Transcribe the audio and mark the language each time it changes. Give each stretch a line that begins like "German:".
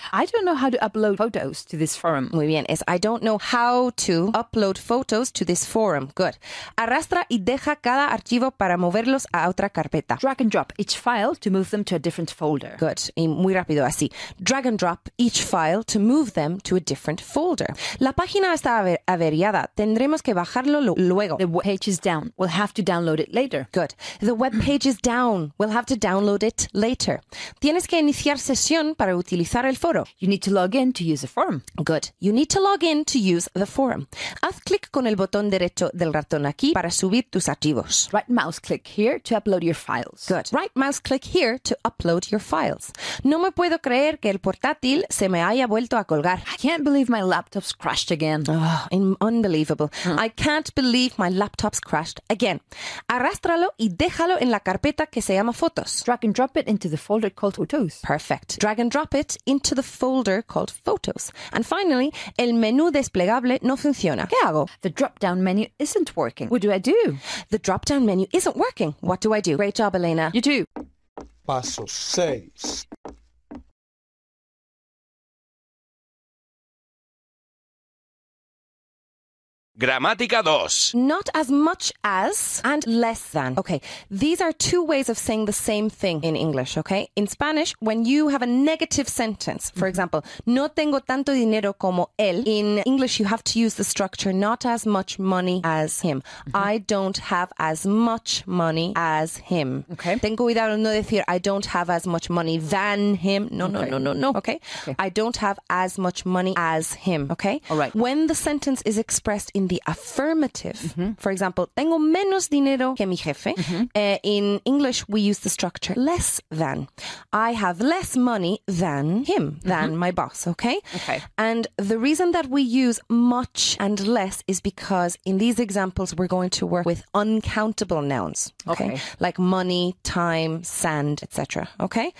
English: I don't know how to upload photos to this forum.
Spanish: Muy bien.
English: Es I don't know how to upload photos to this forum. Good.
Spanish: Arrastra y deja cada archivo para moverlos a otra carpeta.
English: Drag and drop each file to move them to a different folder. Good.
Spanish: Y muy rápido así.
English: Drag and drop each file to move them to a different folder.
Spanish: La página está averiada. Tendremos que bajarlo luego.
English: The page is down. We'll have to download it later. Good. The web page is down. We'll have to download it later.
Spanish: Tienes que iniciar sesión para utilizar el foro.
English: You need to log in to use the forum. Good. You need to log in to use the forum.
Spanish: Haz clic con el botón derecho del ratón aquí para subir tus archivos.
English: Right mouse click here to upload your files. Good. Right mouse click here to upload your files.
Spanish: No me puedo creer que el portátil se me haya vuelto a colgar.
English: I can't believe my laptop's crashed again. Oh, unbelievable. Hmm. I can't believe my laptop's crashed again.
Spanish: Arrástralo y déjalo en la carpeta que se llama fotos.
English: Drag and drop it into the folder called photos. Perfect. Drag and drop it into the folder called photos. And finally,
Spanish: el menú desplegable no funciona. ¿Qué hago?
English: The drop-down menu isn't working. What do I do? The drop-down menu isn't working. What do I do? Great job, Elena. You too.
Spanish: Paso 6. Gramática 2.
English: Not as much as and less than. Okay, these are two ways of saying the same thing in English, okay? In Spanish, when you have a negative sentence, for example,
Spanish: no tengo tanto dinero como él,
English: in English you have to use the structure not as much money as him. Mm-hmm. I don't have as much money as him. Okay.
Spanish: Ten cuidado no decir
English: I don't have as much money than him. No, okay. No. Okay? I don't have as much money as him, okay? All right. When the sentence is expressed in in the affirmative. Mm-hmm. For example,
Spanish: tengo menos dinero que mi jefe.
English: Mm-hmm. In English, we use the structure less than. I have less money than him, than mm-hmm. my boss, okay? Okay. And the reason that we use much and less is because in these examples, we're going to work with uncountable nouns, okay? Like money, time, sand, etc., okay?